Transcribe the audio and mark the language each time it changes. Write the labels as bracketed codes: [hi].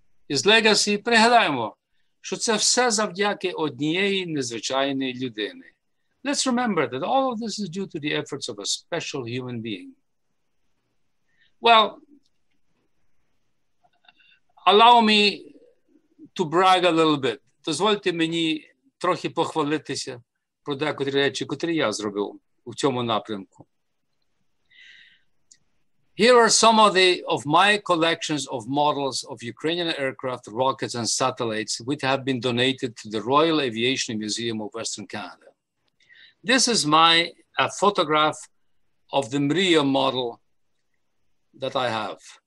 [en] His legacy, [uk] пригадаємо, що це все завдяки однієї незвичайної людини. [en] Let's remember that all of this is due to the efforts of a special human being. Well, allow me to brag a little bit. [uk] Дозвольте мені трохи похвалитися про деякі речі, які я зробив у цьому напрямку. [en] Here are some of my collections of models of Ukrainian aircraft, rockets, and satellites which have been donated to the Royal Aviation Museum of Western Canada. This is a photograph of the Mria model that I have.